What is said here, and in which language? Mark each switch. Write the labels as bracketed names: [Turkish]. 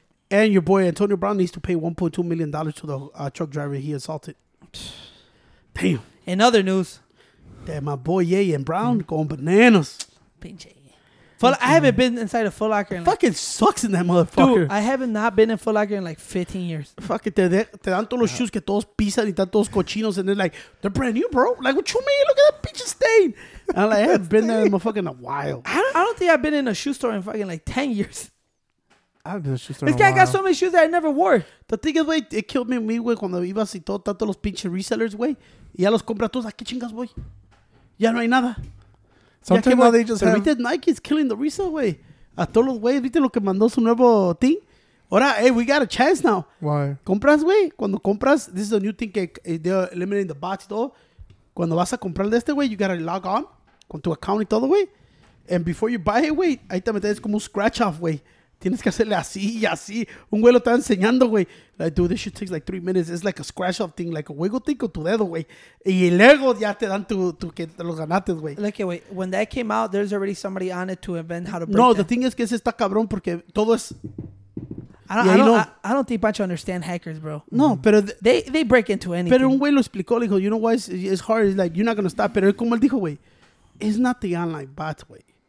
[English] And your boy Antonio Brown needs to pay $1.2 million to the truck driver he assaulted. Damn. In other news. Damn, my boy Ye and Brown going bananas. Pinche. I haven't been inside a Foot Locker. Fucking sucks in that motherfucker. Dude, I haven't not been in Foot Locker in like 15 years. Fuck it. [Spanish] Te dan todos los shoes que todos pisan y están todos cochinos. [English] And they're like, they're brand new, bro. Like, what you mean? Look at that bitch stain. And like, I haven't been there in my fucking a while. I don't think I've been in a shoe store in fucking like 10 years. This guy got so many shoes that I never wore. [Spanish] The thing is, wey, it killed me, wey, cuando ibas y todo, tanto los pinches resellers, wey. Ya los compras todos, ¿a qué chingas, wey? Ya no hay nada. [English] Sometimes they just have... [Spanish] Viste, Nike is killing the resell, wey. A todos los weyes, viste lo que mandó su nuevo thing? [English] Ahora, hey, we got a chance now. Why? Compras, wey. Cuando compras, this is a new thing que they're eliminating the bots, todo. [Spanish] Cuando vas a comprar de este, wey, you gotta log on con tu account y todo, wey. And before you buy it, wey, ahí te metes como un scratch-off, wey. Tienes que hacerle así y así. [English] Un güey lo está enseñando, güey. Like, dude, this shit takes like 3 minutes. It's like a scratch-off thing. Like, a wiggle thing con tu dedo, güey. [Spanish] Y luego ya te dan tu que te los ganaste, güey. [English] Look, okay, wait. When that came out, there's already somebody on it to invent how to break No, them. [Spanish] The thing is que ese está cabrón porque todo es... [English] I don't think Pancho understand hackers, bro. [Spanish] No, pero... [English] They break into anything. Pero un güey lo explicó. Le dijo, you know why it's hard? It's like, you're not going to stop. Pero como él dijo, güey, it's not the online bots, güey.